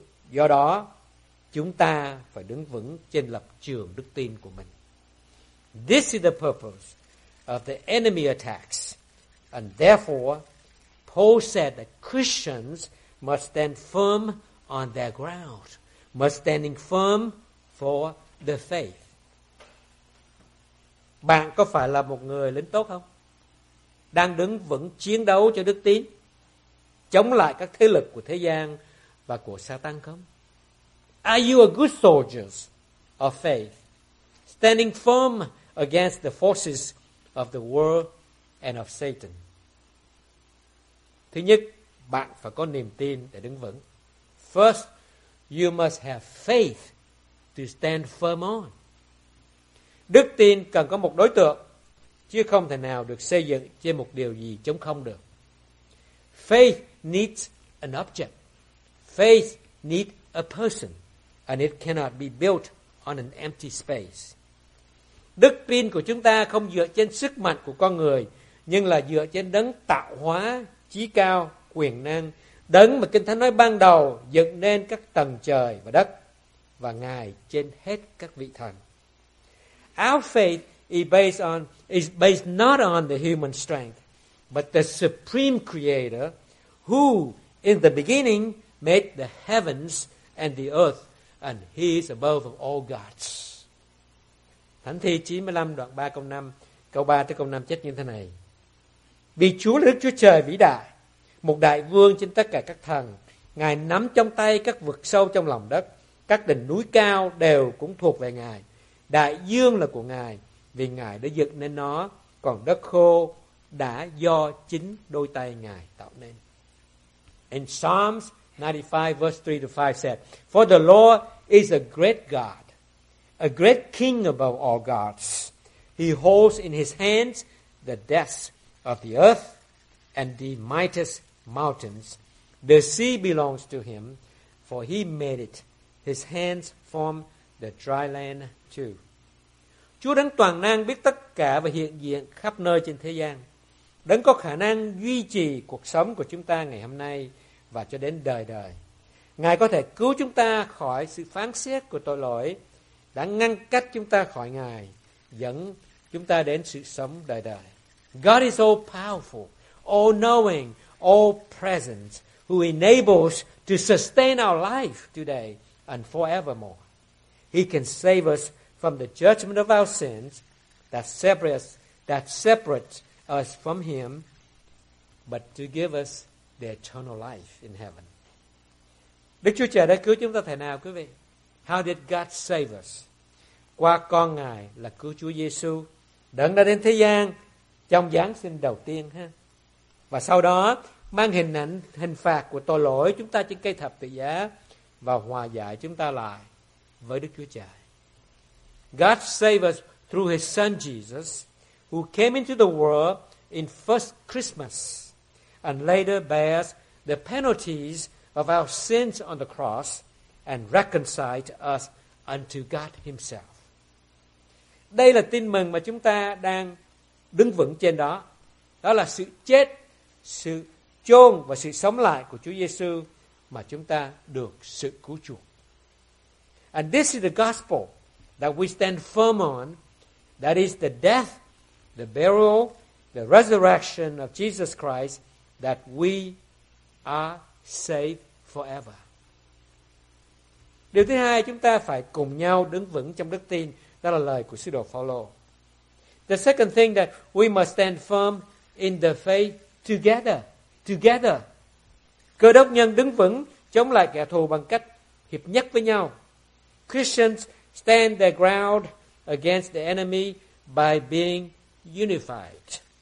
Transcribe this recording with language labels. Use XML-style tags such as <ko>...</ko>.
<vi>Do đó, chúng ta phải đứng vững trên lập trường đức tin của mình.</vi> <en>This is the purpose of the enemy attacks. And therefore, Paul said that Christians must stand firm on their ground, must standing firm for the faith.</en> <vi>Bạn có phải là một người lính tốt không? Đang đứng vững chiến đấu cho đức tin, chống lại các thế lực của thế gian và của Satan không?</vi> <en>Are you a good soldier of faith, standing firm against the forces of the world and of Satan?</en> <vi>Thứ nhất, bạn phải có niềm tin để đứng vững.</vi> <en>First, you must have faith to stand firm on.</en> <vi>Đức tin cần có một đối tượng, chứ không thể nào được xây dựng trên một điều gì trống không được.</vi> <en>Faith needs an object. Faith needs a person. And it cannot be built on an empty space.</en> <vi>Đức tin của chúng ta không dựa trên sức mạnh của con người, nhưng là dựa trên đấng tạo hóa, chí cao, quyền năng, đấng mà Kinh Thánh nói ban đầu dựng nên các tầng trời và đất, và Ngài trên hết các vị thần.</vi> <en>Our faith is based not on the human strength, but the supreme creator who in the beginning made the heavens and the earth, and he is above all gods.</en> <vi>Thánh Thi 95 đoạn 3 câu 5, câu 3 tới câu 5 chép như thế này. Vì Chúa là Đức Chúa Trời vĩ đại, một đại vương trên tất cả các thần, Ngài nắm trong tay các vực sâu trong lòng đất, các đỉnh núi cao đều cũng thuộc về Ngài. Đại dương là của Ngài, vì Ngài đã dựng nên nó, còn đất khô đã do chính đôi tay Ngài tạo nên.</vi> <en>In Psalms 95 verse 3 to 5 said, "For the Lord is a great God, a great king above all gods. He holds in his hands the depths of the earth and the mightiest mountains. The sea belongs to him, for he made it. His hands form the dry land too."</en> <vi>Chúa đấng toàn năng biết tất cả và hiện diện khắp nơi trên thế gian. Đấng có khả năng duy trì cuộc sống của chúng ta ngày hôm nay và cho đến đời đời. Ngài có thể cứu chúng ta khỏi sự phán xét của tội lỗi đã ngăn cách chúng ta khỏi Ngài, dẫn chúng ta đến sự sống đời đời.</vi> <en>God is all powerful, all knowing, all present, who enables to sustain our life today and forevermore. He can save us from the judgment of our sins that separates us from Him, but to give us the eternal life in heaven.</en> <vi>Đức Chúa Trời đã cứu chúng ta thế nào, quý vị?</vi> <en>How did God save us?</en> <vi>Qua con Ngài là cứu Chúa Giê-xu, đấng đã đến thế gian trong Giáng sinh đầu tiên. Ha? Và sau đó, mang hình ảnh hình phạt của tội lỗi chúng ta trên cây thập tự giá và hòa giải chúng ta lại với Đức Chúa Trời.</vi> <en>God saved us through His Son Jesus, who came into the world in first Christmas and later bears the penalties of our sins on the cross and reconciled us unto God Himself.</en> <vi>Đây là tin mừng mà chúng ta đang đứng vững trên đó. Đó là sự chết, sự chôn và sự sống lại của Chúa Giê-xu mà chúng ta được sự cứu chuộc.</vi> <en>And this is the gospel that we stand firm on, that is the death, the burial, the resurrection of Jesus Christ, that we are saved forever.</en> <vi>Điều thứ hai, chúng ta phải cùng nhau đứng vững trong đức tin. Đó là lời của sứ đồ Phao-lô.</vi> <en>The second thing that we must stand firm in the faith together.</en> <vi>Cơ đốc nhân đứng vững chống lại kẻ thù bằng cách hiệp nhất với nhau.</vi> <en>Christians stand their ground against the enemy by being unified.</en>